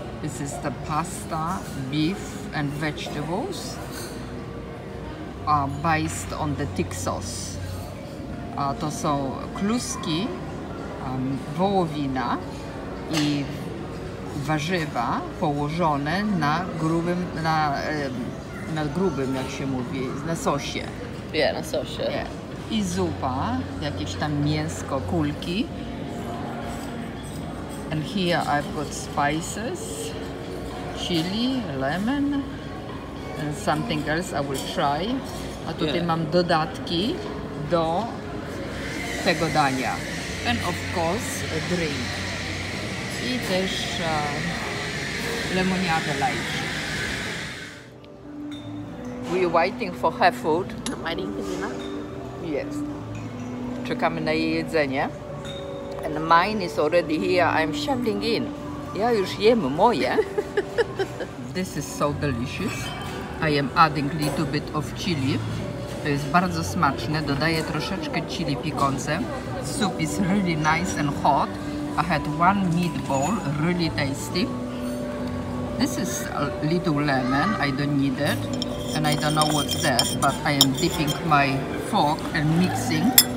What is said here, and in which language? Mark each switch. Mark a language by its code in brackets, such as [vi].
[en] This is the pasta, beef and vegetables based on the tik sauce. [pl] To są kluski, wołowina i warzywa położone na grubym, na grubym, jak się mówi, na sosie. Yeah, na sosie. [en] Yeah. [pl] I zupa, jakieś tam mięsko, kulki. [en] And here I've got spices, chili, lemon, and something else I will try. [pl] A tutaj mam dodatki do tego dania. [en] And of course, a drink. [pl] I też lemoniadę light. [en] We are waiting for her food. I'm waiting for dinner. Yes. [pl] Czekamy na jej jedzenie. [en] And mine is already here. I'm shoveling in. [pl] Ja już jem moje. [en] This is so delicious. I am adding a little bit of chili. [pl] To jest bardzo smaczne. Dodaję troszeczkę chili piekące. [en] Soup is really nice and hot. I had one meatball, really tasty. This is a little lemon. I don't need it. And I don't know what's that, but I am dipping my fork and mixing.